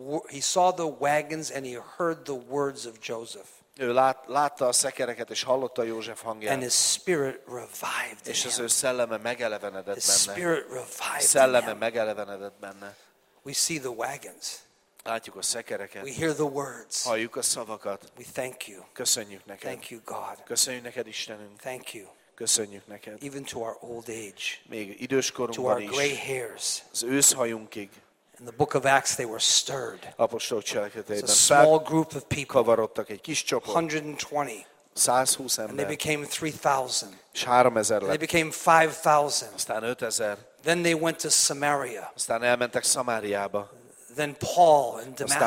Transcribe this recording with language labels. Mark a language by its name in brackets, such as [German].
[English] He saw the wagons and he heard the words of Joseph. [Hungarian] Ő látta a szekereket és hallotta József hangját. [English] And his spirit revived in him. [Hungarian] És az ő szelleme megelevenedett benne. [English] His spirit revived in [Hungarian] him. Szelleme megelevenedett benne. [English] We see the wagons. [Hungarian] Látjuk a szekereket. [English] We hear the words. [Hungarian] Halljuk a szavakat. [English] We thank you. [Hungarian] Köszönjük neked. [English] Thank you, God. [Hungarian] Köszönjük neked, Istenünk. [English] Thank you. [Hungarian] Köszönjük neked. [English] Even to our old age. [Hungarian] Még időskorunkban is. [English] To our gray hairs. [Hungarian] Az őszhajunkig. [English] In the book of Acts, they were stirred. [Hungarian] Apostolok cselekedetében. [English] A small group of people. [Hungarian] Kavarodtak egy kis csoport. [English] 120. [Hungarian] 120 ember. [English] And they became 3,000. [Hungarian] És 3,000 lett. [English] They became 5,000. [Hungarian] Aztán 5,000. [English] Then they went to Samaria. [Hungarian] Aztán elmentek Szamáriába. [English] Then Paul in Damascus.